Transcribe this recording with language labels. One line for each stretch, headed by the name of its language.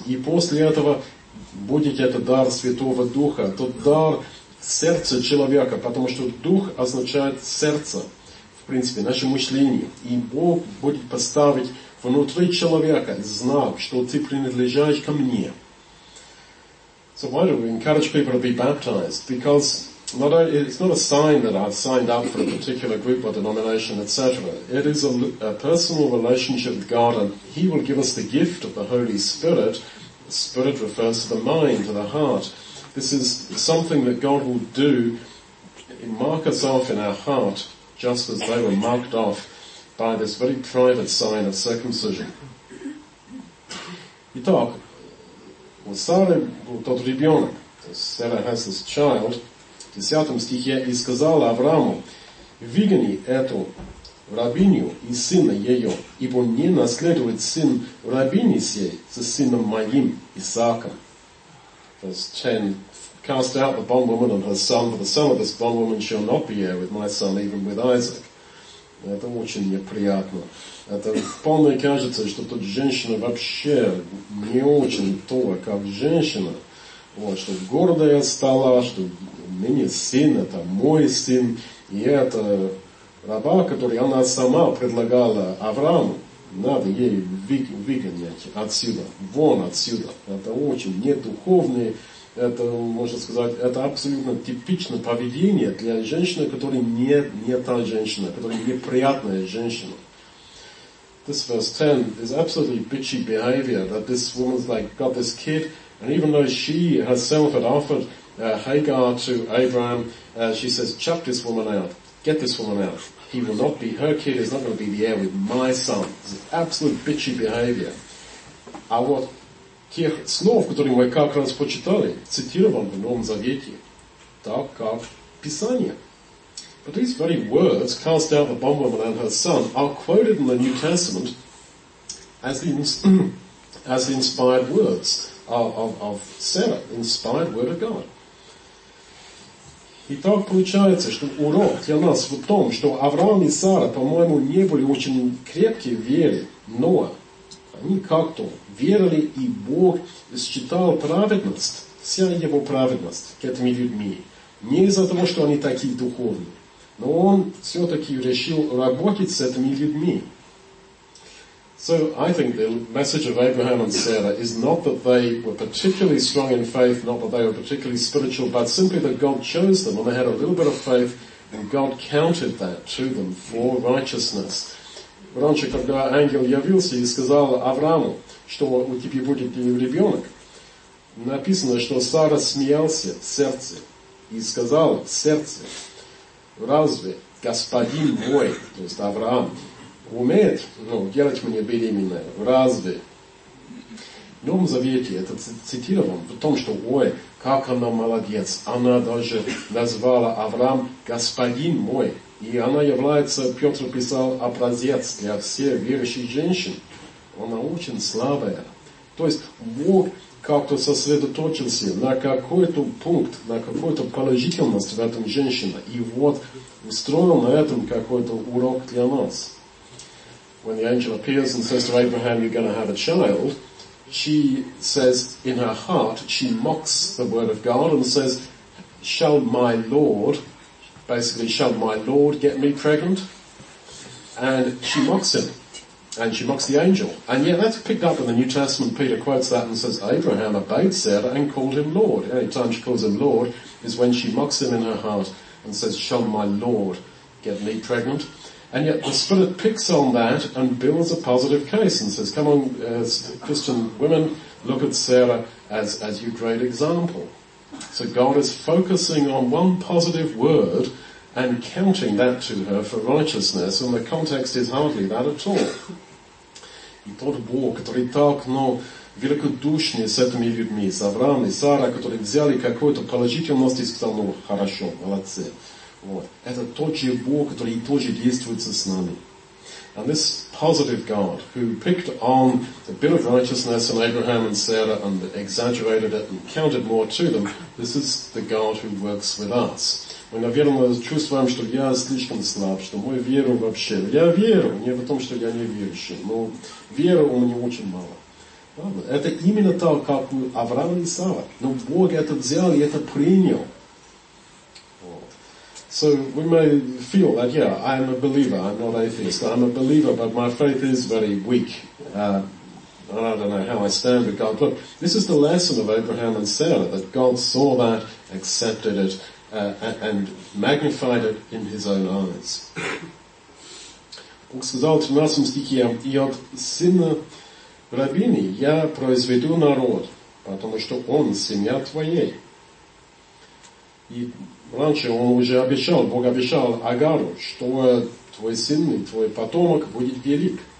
Russian: И после этого будет это дар Святого Духа, тот дар сердца человека, потому что Дух означает сердце, в принципе, наше мышление. И Бог будет поставить внутри человека знак, что ты принадлежишь ко мне.
English: So why do we encourage people to be baptized? Because it's not a sign that I've signed up for a particular group or denomination, etc. It is a personal relationship with God, and He will give us the gift of the Holy Spirit. The Spirit refers to the mind, to the heart. This is something that God will do, mark us off in our heart, just as they were marked off by this very private sign of circumcision.
Russian: Итак, у Сары был тот ребенок, Сара
English: has this child,
Russian: в 10 стихе, и сказала Аврааму, выгони эту рабиню и сына ее, ибо не наследует сын рабини сей со сыном моим Исааком.
English: Verse 10, cast out the bondwoman and her son, for the son of this bondwoman shall not be heir with my son, even with Isaac.
Russian: Это очень неприятно. Это вполне кажется, что тут женщина вообще не очень то, как женщина. Вот, что гордая стала, что ныне сын, это мой сын. И это раба, которую она сама предлагала Аврааму, надо ей выгонять отсюда, вон отсюда. Это очень недуховное. Это, можно сказать, это абсолютно типичное поведение для женщины, которая не та женщина, которая неприятная женщина.
English: This verse 10 is absolutely bitchy behavior, that this woman's like got this kid, and even though she herself had offered Hagar to Abraham, she says, chuck this woman out, get this woman out. He will not be her kid, he's not going to be the heir with my son. It's absolute bitchy behavior.
Russian: А вот тех слов, которые мы как раз почитали, цитирован в Новом Завете, так как Писание.
English: But these very words, cast out the bond woman and her son, are quoted in the New Testament as the, as the inspired words of Sarah, inspired word of God.
Russian: И так получается, что урок для нас в том, что Авраам и Сара, по-моему, не были очень крепки в вере, но они как-то верили, и Бог считал праведность, вся его праведность к этими людьми. Не из-за того, что они такие духовные, но он все-таки решил работать с этими людьми.
English: So I think the message of Abraham and Sarah is not that they were particularly strong in faith, not that they were particularly spiritual, but simply that God chose them and they had a little bit of faith and God counted that to them for righteousness.
Russian: Раньше, когда ангел явился и сказал Аврааму, что у тебя будет ребенок, написано, что Сара смеялся в сердце и сказал в сердце, разве господин мой, то есть Авраам, умеет, ну, делать мне беременное, разве? В Новом Завете это цитирован в том, что, ой, как она молодец, она даже назвала Авраам господин мой. И она является, Петр писал, образец для всех верующих женщин. Она очень слабая. То есть Бог как-то сосредоточился на какой-то пункт, на какую-то положительность в этом женщине. И вот устроил на этом какой-то урок для нас.
English: When the angel appears and says to Abraham, you're going to have a child, she says in her heart, she mocks the word of God and says, shall my Lord, basically, shall my Lord get me pregnant? And she mocks him. And she mocks the angel. And yeah, that's picked up in the New Testament. Peter quotes that and says, Abraham obeyed Sarah and called him Lord. Any time she calls him Lord is when she mocks him in her heart and says, shall my Lord get me pregnant? And yet the Spirit picks on that and builds a positive case and says, come on, Christian women, look at Sarah as your great example. So God is focusing on one positive word and counting that to her for righteousness, and the context is hardly that at all.
Russian: И тот Бог, который так, ну, великодушный с этими людьми, с Авраамом и Сарой, которые взяли какую-то положительность и сказали, ну, хорошо, молодцы. Вот. Это тот же Бог, который тоже действует с нами.
English: And this positive God, who picked on the bit of righteousness in Abraham and Sarah and exaggerated it and counted more to them, this is the God who works with us.
Russian: Мы на веру мы чувствуем, что я слишком слаб, что мой веру вообще. Я верю, не в том, что я не верующий, но веры у меня очень мало. Это именно так, как у Авраама и Сары. Но Бог это взял и это принял.
English: So we may feel that, yeah, I am a believer, I'm not atheist, I'm a believer, but my faith is very weak. And I don't know how I stand with God. Look, this is the lesson of Abraham and Sarah, that God saw that, accepted it, and magnified it in his own eyes.
Russian: Бог сказал в 13 стихе, и от сына рабини я произведу народ, потому что он семья твоей. И раньше он уже обещал, Бог обещал Агару, что твой сын и твой потомок будет велик.